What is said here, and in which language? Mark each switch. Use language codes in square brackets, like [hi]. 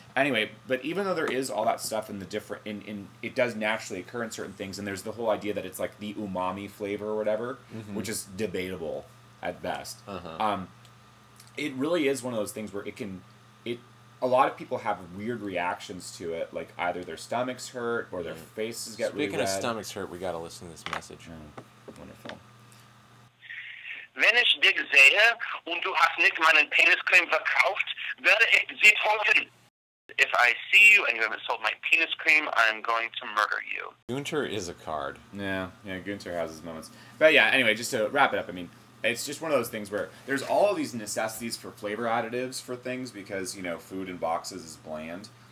[en] Anyway, but even though there is all that stuff in the different, it does naturally occur in certain things, and there's the whole idea that it's, like, the umami flavor or whatever, which is debatable at best. Uh-huh. It really is one of those things where a lot of people have weird reactions to it, like either their stomachs hurt or their faces get really red. Speaking of stomachs hurt, we gotta listen to this message. Mm. Wonderful. [de] Wenn ich dich sehe und du hast nicht meinen Peniscreme verkauft, werde ich sie töten. [en] If I see you and you haven't sold my penis cream, I'm going to murder you. Gunter is a card. Yeah, Gunter has his moments. But yeah, anyway, just to wrap it up, I mean, it's just one of those things where there's all of these necessities for flavor additives for things because, you know, food in boxes is bland.